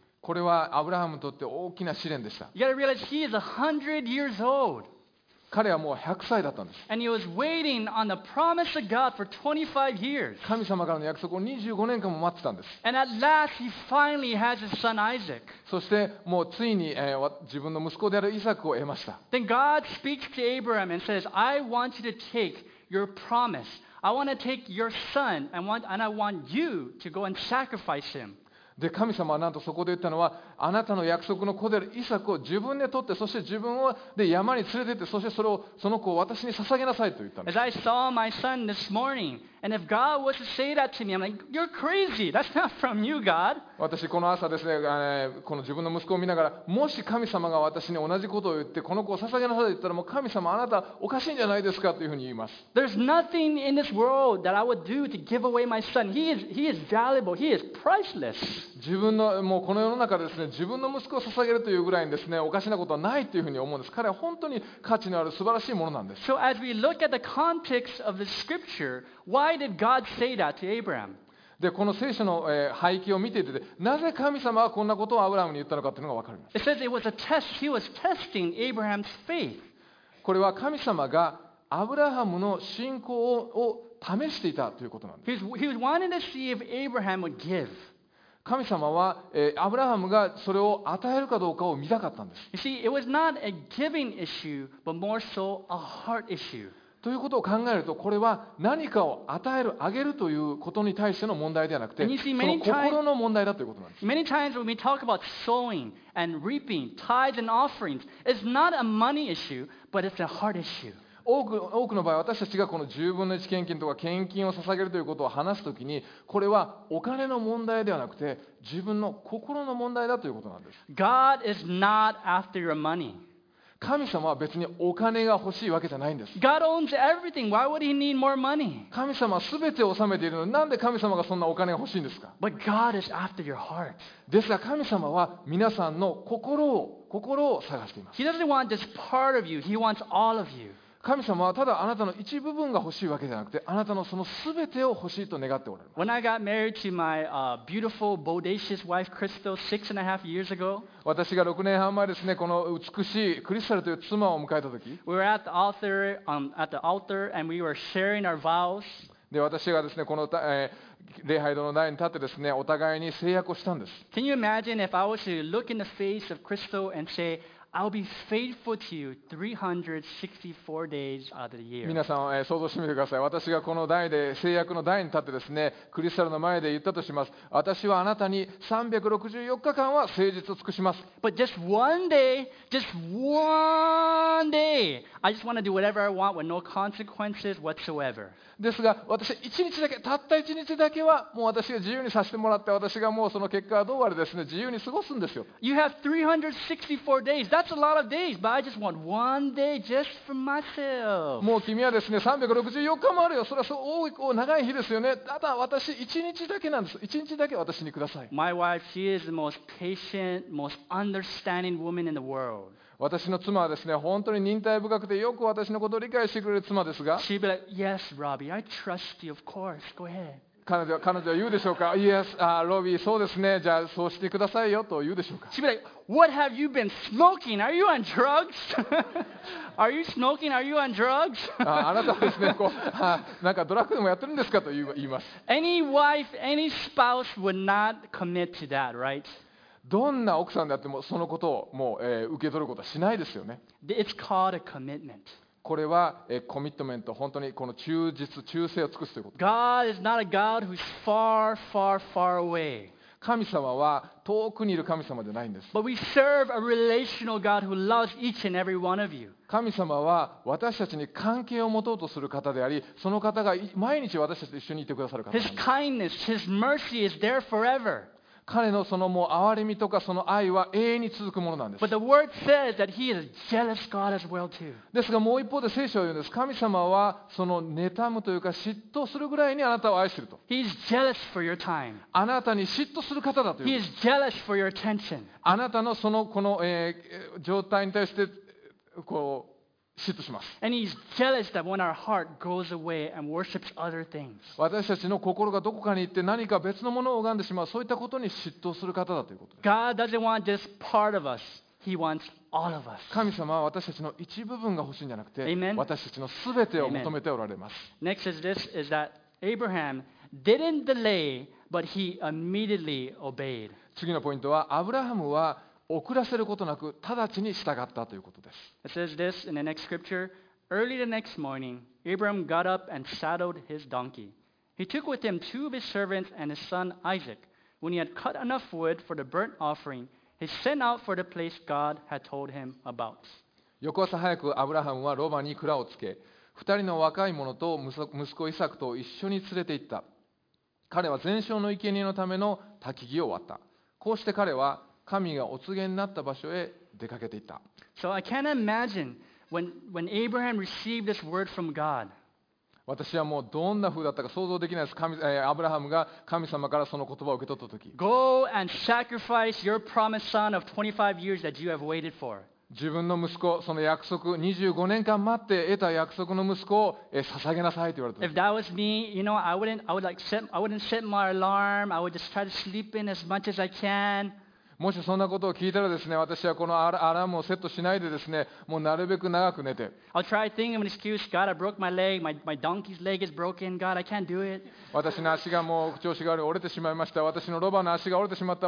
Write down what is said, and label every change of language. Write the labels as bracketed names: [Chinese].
[Japanese] これはアブラハムにとって大きな試練でした。 [English] You gotta realize he is 100 years old. [Japanese] 彼はもう100歳だったんです。 [English] And he was waiting on the promise of God for 25 years. [Japanese] 神様からの約束を25年間も待ってたんです。 [English] And at last he finally has his son Isaac. [Japanese] そしてもうついに、自分の息子であるイサクを得ました。 [English] Then God speaks to Abraham and says, I want you to take your promise. I want to take your son and I want you to go and sacrifice him. [Japanese] で、神様はなんとそこで言ったのは、あなたの約束の子であるイサクを自分で取って、そして自分をで山に連れて行って、そしてその子を私に捧げなさいと言ったんです。 [English] As I saw my son this morning, and if God was to say that to me, I'm like, you're crazy. That's not from you, God. [Japanese] 私この朝ですね、この自分の息子を見ながら、もし神様が私に同じことを言って、この子を捧げなさいと言ったら、もう神様、あなたおかしいんじゃないですかというふうに言います。 [English] There's nothing in this world that I would do to give away my son. He is valuable. He is priceless. [Japanese] 自分のもうこの世の中ですね、自分の息子を捧げるというぐらいにですね、おかしなことはないというふうに思うんです。彼は本当に価値のある素晴らしいものなんです。 [English] So as we look at the context of the scripture, why did God say that to Abraham? [Japanese] でこの聖書の背景を見ていて、なぜ神様はこんなことをアブラハムに言ったのかというのが分かります。 [English] It says it was a test. He was testing Abraham's faith. [Japanese] これは神様がアブラハムの信仰を試していたということなんです。 [English] He was wanting to see if Abraham would give. [Japanese] 神様は、アブラハムがそれを与えるかどうかを見たかったんです。 [English] You see, it was not a giving issue, but more so a heart issue. [Japanese] ということを考えると、これは何かを与える、あげるということに対しての問題ではなくて、その心の問題だということなんです。 [English] Many times when we talk about sowing and reaping, tithes and offerings, it's not a money issue, but it's a heart issue. [Japanese] 多くの場合、私たちがこの10分の1献金とか献金を捧げるということを話すときに、これはお金の問題ではなくて自分の心の問題だということなんです。 [English] God is not after your money. [Japanese] 神様は別にお金が欲しいわけじゃないんです。 [English] God owns everything. Why would he need more money? [Japanese] 神様は全てを治めているのに、なんで神様がそんなお金が欲しいんですか。 [English] But God is after your heart. [Japanese] ですが神様は皆さんの心を探しています。 [English] He doesn't want just part of you. He wants all of you. [Japanese] 神様はただあなたの一部分が欲しいわけじゃなくて、あなたのそのすべてを欲しいと願っておられます。 [English] When I got married to my beautiful, bodacious wife, Crystal, six and a half years ago, [Japanese] 私が6年半前ですね、この美しいクリスタルという妻を迎えたとき、 [English] we were at the altar and we were sharing our vows. [Japanese] で、私がですね、この、礼拝堂の台に立ってですね、お互いに誓約をしたんです。 [English] Can you imagine if I was to look in the face of Crystal and say,I'll be faithful to you 364 days out of the year. [Japanese] 皆さん、想像してみてください。私がこの台で、制約の台に立ってですね、クリスタルの前で言ったとします。私はあなたに364日間は誠実を尽くします。 [English] But just one day, just one day, I just want to do whatever I want with no consequences whatsoever. [Japanese] ですが、私一日だけ、たった一日だけは、もう私が自由にさせてもらって、私がもうその結果はどうあれですね、自由に過ごすんですよ。 [English] You have 364 days. That's a lot of days, but I just want one day just for myself. [Japanese] もう君はですね、364日もあるよ。それはそう多い長い日ですよね。ただ私一日だけなんです。一日だけ私にください。 [English] My wife, she is the most patient, most understanding woman in the world. [Japanese] 私の妻はですね、本当に忍耐深くてよく私のことを理解してくれる妻ですが、 [English] she'd be like, "Yes, Robbie, I trust you. Of course, go ahead." [Japanese] 彼女は言うでしょうか。 [English] Yes, Robby, [Japanese] そうですね。じゃあそうしてくださいよと言うでしょうか。 [English] She'd be like, "What have you been smoking? Are you on drugs? Are you smoking? Are you on drugs?" [Japanese] あなたはですね、こうなんかドラッグでもやってるんですかと言います。 [English] Any wife, any spouse would not commit to that, right? [Japanese] どんな奥さんであってもそのことをもう、受け取ることはしないですよね。 [English] It's called a commitment. [Japanese] これはコミットメント、本当にこの忠実、忠誠を尽くすということ。 [English] God is not a God who's far, far, far away. [Japanese] 神様は遠くにいる神様じゃないんです。 [English] But we serve a relational God who loves each and every one of you. [Japanese] 神様は私たちに関係を持とうとする方であり、その方が毎日私たちと一緒にいてくださる方です。 [English] His kindness, His mercy is there forever. [Japanese] 彼のそのもう憐れみとかその愛は永遠に続くものなんです。 [English] But the word says that he is a jealous God as well too. [Japanese] ですがもう一方で聖書は言うんです。神様はその妬むというか嫉妬するぐらいにあなたを愛していると。 [English] He is jealous for your time. [Japanese] あなたに嫉妬する方だということ。 [English] He is jealous for your attention. [Japanese] あなたのそのこの状態に対してこう嫉妬します。 [English] And he is jealous that when our heart goes away and worships other things. [Japanese] 私たちの心がどこかに行って何か別のものを拝んでしまう、そういったことに嫉妬する方だということです。 [English] God doesn't want just part of us. He wants all of us. [Japanese] 神様は私たちの一部分が欲しいんじゃなくて、Amen. 私たちのすべてを求めておられます。 [English] Amen. Next is this: is that Abraham didn't delay, but he immediately obeyed. [Japanese] 次のポイントは、アブラハムは遅らせることなく直ちに従ったということです。 [English] It says this in the next scripture. Early the next morning, Abram got up and saddled his donkey. He took with him two of his servants and his son Isaac. When he had cut enough wood for the burnt offering, he sent out for the place God had told him about. [Japanese] 翌朝早くアブラハムはロバに鞍をつけ、二人の若い者と息子イサクと一緒に連れて行った。彼は全焼の生贄のための焚き木を割った。こうして彼は神がお告げになった場所へ出かけていった。 [English] So I can't imagine when Abraham received this word from God. [Japanese] 私はもうどんな風だったか想像できないです。アブラハムが神様からその言葉を受け取ったとき。 [English] Go and sacrifice your promised son of 25 years that you have waited for. [Japanese] 自分の息子、その約束、25年間待って得た約束の息子を捧げなさいと言われた。 [English] If that was me, you know, I wouldn't set my alarm. I would just try to sleep in as much as I can. [Japanese] もしそんなことを聞いたらですね、私はこのアラームをセットしないでですね、もうなるべく長く寝て。 [English] I'll try thinking of an excuse. God, I broke my leg. My donkey's leg is broken. God, I can't do it. [Japanese] 私の足がもう調子が悪い、折れてしまいました。私のロバの足が折れてしまった。